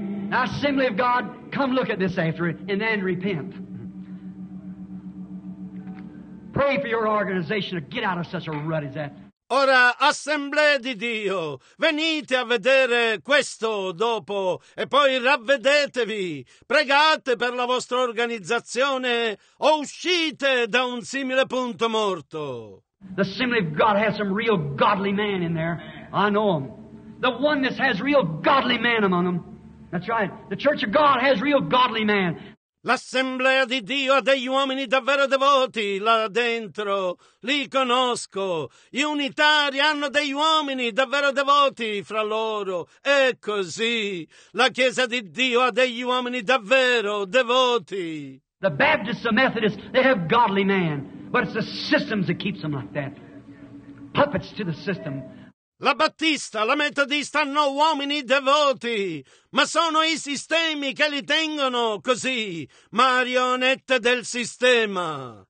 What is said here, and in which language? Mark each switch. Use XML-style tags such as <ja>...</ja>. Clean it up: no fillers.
<en>Assembly of God, come look at this after it and then repent. Pray for your organization to get out of such a rut as that.</en> <it>Ora, assemblea di Dio, venite a vedere questo dopo e poi ravvedetevi. Pregate per la vostra organizzazione o uscite da un simile punto morto.</it> <en>The assembly of God has some real godly men in there. I know them. The oneness has real godly men among them. That's right. The Church of God has real godly men.</en> <it>L'assemblea di Dio ha degli uomini davvero devoti là dentro. Li conosco. Gli unitari hanno degli uomini davvero devoti fra loro. È così. La Chiesa di Dio ha degli uomini davvero devoti.</it> <en>The Baptists, the Methodists, they have godly men. But it's the systems that keeps them like that. Puppets to the system.</en> <it>La Battista, la Metodista hanno uomini devoti, ma sono i sistemi che li tengono così, marionette del sistema.</it>